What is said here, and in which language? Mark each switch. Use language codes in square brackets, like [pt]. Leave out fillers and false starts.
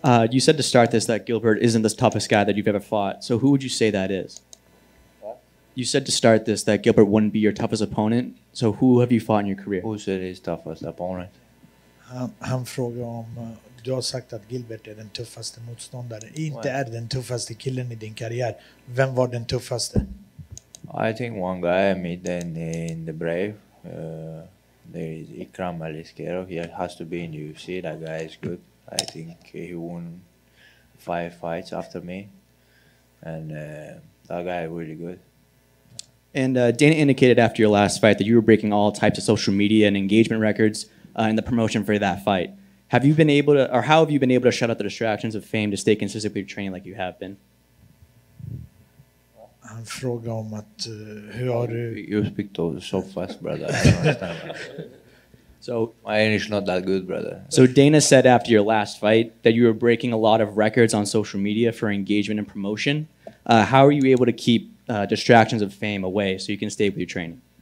[en] You said to start this that Gilbert isn't the toughest guy that you've ever fought. So who would you say that is? What? You said to start this that Gilbert wouldn't be your toughest opponent. So who have you fought in your career? Who said his toughest opponent? [sv] Han frågar om du har sagt att Gilbert är den tuffaste motståndaren. Inte är den tuffaste killen i din karriär. Vem var den tuffaste? [en] I think one guy I meet in the Brave. There is Ikram Aliskerov. He has to be in UFC. That guy is good. I think he won 5 fights after me. And that guy is really good. And Dana indicated after your last fight that you were breaking all types of social media and engagement records. In the promotion for that fight. Have you been able to, or how have you been able to shut out the distractions of fame to stay consistent with your training like you have been? [sv] Han frågar om att, hur har du... [en] You speak so fast, brother. I don't understand. So, my English is not that good, brother. So Dana said after your last fight that you were breaking a lot of records on social media for engagement and promotion. How are you able to keep distractions of fame away so you can stay with your training?